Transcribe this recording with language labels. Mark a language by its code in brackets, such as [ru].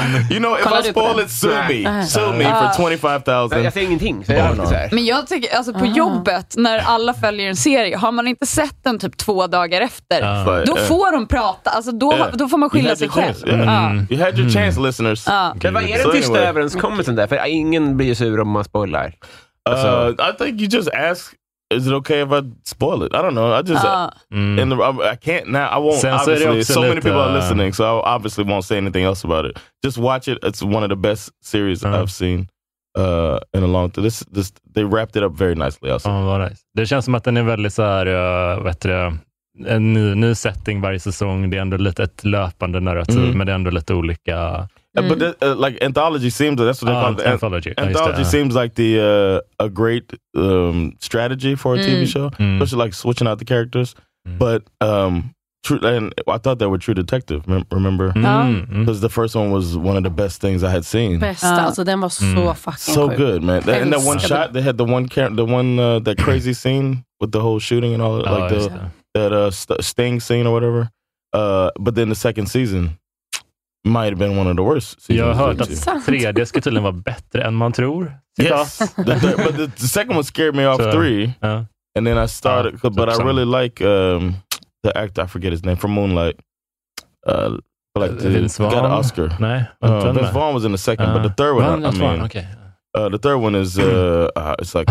[en] You know, if I spoil it, sue me for 25,000. [sv] Jag säger ingenting, så jag inte så här. Men jag tycker, alltså på jobbet, när alla följer en serie, har man inte sett den typ 2 dagar efter, då får de prata, alltså då får man skylla sig själv. [en] You had your chance, listeners. [sv] Men vad är den tysta överenskommelsen där? För ingen blir sur om man spoilar. [en] I think you just ask, is it okay if I spoil it? I don't know. I just I can't now. I won't. Sen obviously, so many people are listening, so I obviously won't say anything else about it. Just watch it. It's one of the best series I've seen in a long time. This they wrapped it up very nicely. Also, [sv] Vad nice. Det känns som att den är väldigt så här, bättre. En ny setting varje säsong. Det är ändå lite ett löpande narrativ, men det är ändå lite olika. [en] But that, like anthology seems that's what they call it. Anthology. Anthology seems like the a great strategy for a TV show, especially like switching out the characters. But and I thought they were True Detective. Remember? Because the first one was one of the best things I had seen. Best. Also, them was so fucking so good, man. That, and that one shot they had, the one that crazy scene with the whole shooting and all, like sting scene or whatever. But then the second season might have been one of the worst seasons. [sv] Jag har hört att tredje ska tydligen vara bättre än man tror. [en] But the second one scared me off three. And then I started, but I really like the actor, I forget his name, from Moonlight. Vince Vaughn? Got an Oscar. [sv] Nej, [en] Vince Vaughn was in the second, but the third one, the third one is, it's like...